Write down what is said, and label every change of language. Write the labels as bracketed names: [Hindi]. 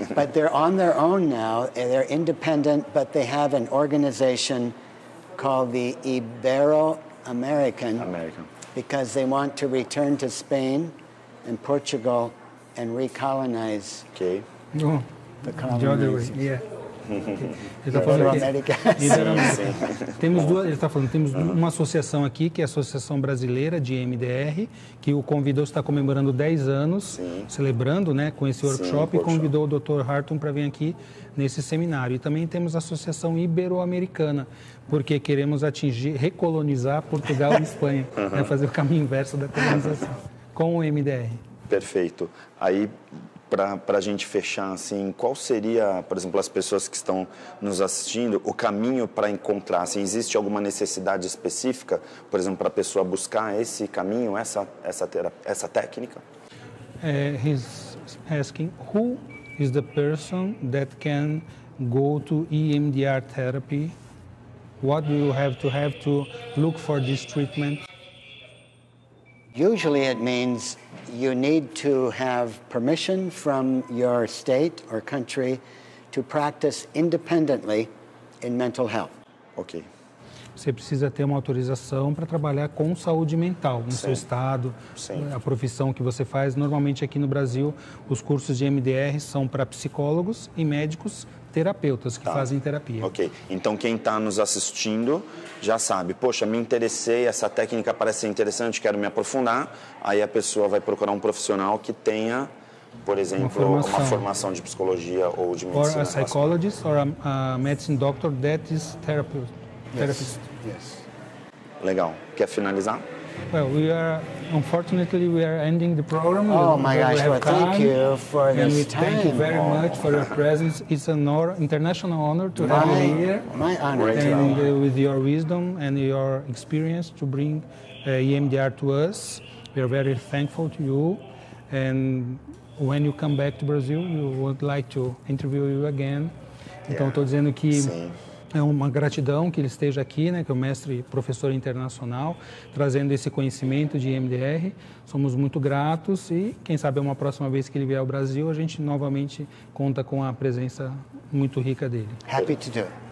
[English] But they're on their own now. They're independent, but they have an organization called the Ibero-American. American. Because they want to return to Spain and Portugal and recolonize. Okay. Oh, the other way. Yeah. [Portuguese] Ele está falando, temos uma associação aqui, que é a Associação Brasileira de MDR, que o convidou, está comemorando 10 anos, celebrando, né, com esse workshop, e convidou o Dr. Harton para vir aqui nesse seminário. E também temos a Associação Ibero-Americana, porque queremos atingir, recolonizar Portugal e Espanha, fazer o caminho inverso da colonização, com o MDR. Perfeito. Aí... para a gente fechar, assim, qual seria, por exemplo, as pessoas que estão nos assistindo, o caminho para encontrar? Assim, existe alguma necessidade específica, por exemplo, para a pessoa buscar esse caminho, essa técnica? [English] He's asking, who is the person that can go to EMDR therapy? What do you have to look for this treatment? Usually it means you need to have permission from your state or country to practice independently in mental health. Okay. [Portuguese] Você precisa ter uma autorização para trabalhar com saúde mental no seu estado, a profissão que você faz. Normalmente aqui no Brasil, os cursos de MDR são para psicólogos e médicos terapeutas que fazem terapia. Ok. Então, quem está nos assistindo já sabe. Poxa, me interessei, essa técnica parece interessante, quero me aprofundar. Aí a pessoa vai procurar um profissional que tenha, por exemplo, uma formação de psicologia ou de medicina. [English] Or a psychologist or a medicine doctor that is therapist. Yes. [Portuguese] Legal. Quer finalizar? [English] Well, we are, unfortunately, we are ending the program. Oh, my gosh, well, thank you for this time. Thank you very much for your presence. It's an honor, international honor to have you here. My honor. Great and with your wisdom and your experience to bring EMDR to us. We are very thankful to you. And when you come back to Brazil, we would like to interview you again. [Portuguese] Então, estou dizendo que... Sim. É uma gratidão que ele esteja aqui, né, que é o mestre professor internacional, trazendo esse conhecimento de EMDR. Somos muito gratos e, quem sabe, uma próxima vez que ele vier ao Brasil, a gente novamente conta com a presença muito rica dele. [English] Happy to do.